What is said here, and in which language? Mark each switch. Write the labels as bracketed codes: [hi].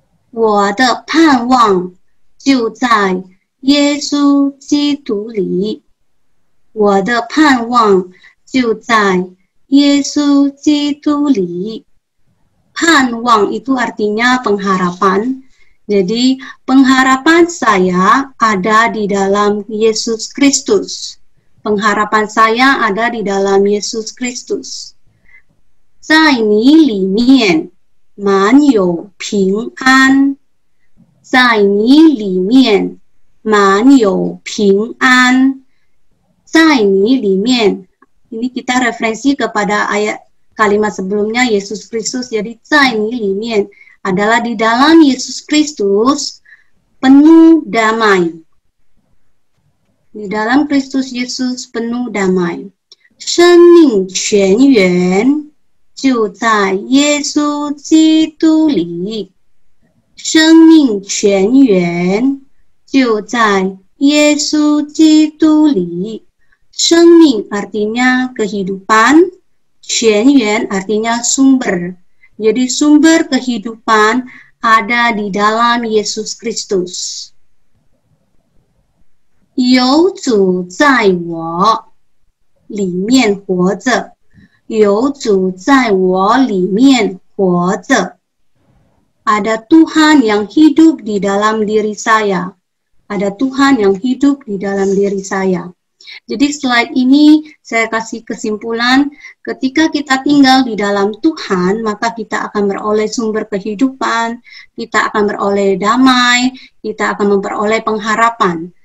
[zh] 我的盼望就在耶稣基督里。我的盼望就在耶稣基督里。 [id] 盼望 itu artinya pengharapan. Jadi pengharapan saya ada di dalam Yesus Kristus. Pengharapan saya ada di dalam Yesus Kristus. [zh] 在你里面满有平安。在你里面满有平安。在你里面 [id] ，ini kita referensi kepada ayat kalimat sebelumnya Yesus Kristus. Jadi [zh] 在你里面 [id] adalah di dalam Yesus Kristus penuh damai. Di dalam Kristus Yesus penuh damai. [zh] 生命泉源就在耶稣基督里。生命泉源就在耶稣基督里。 [id] 生命 artinya kehidupan, 泉源 artinya sumber. Jadi sumber kehidupan ada di dalam Yesus Kristus. [zh] 有主在我里面活着，有主在我里面活着。 [id] Ada Tuhan yang hidup di dalam diri saya. Ada Tuhan yang hidup di dalam diri saya. Jadi slide ini saya kasih kesimpulan, ketika kita tinggal di dalam Tuhan, maka kita akan beroleh sumber kehidupan, kita akan beroleh damai, kita akan memperoleh pengharapan.